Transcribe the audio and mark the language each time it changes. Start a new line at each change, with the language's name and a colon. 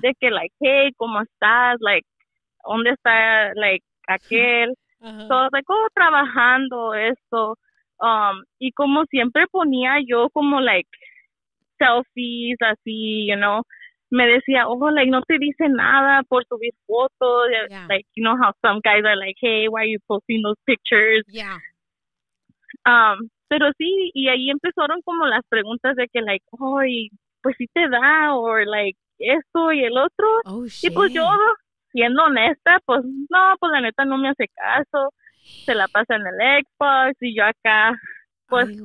Spanish: De que, like, hey, ¿cómo estás? Like, ¿dónde está, like, aquel?
English: So I was like, oh,
Spanish: trabajando esto. Y como siempre ponía yo como like selfies así,
English: you know.
Spanish: Me decía, oh, like, no te dice nada por subir fotos.
English: Yeah. Like, you know how some guys are like, hey, why are you posting those pictures? Yeah.
Spanish: Pero sí, y ahí empezaron como las preguntas de que, like, oh, y pues sí te da, or like, esto y el otro.
English: Oh, shit.
Spanish: Y pues yo, siendo honesta, pues, no, pues la neta no me hace caso. Se la pasa en el Xbox y yo acá, pues...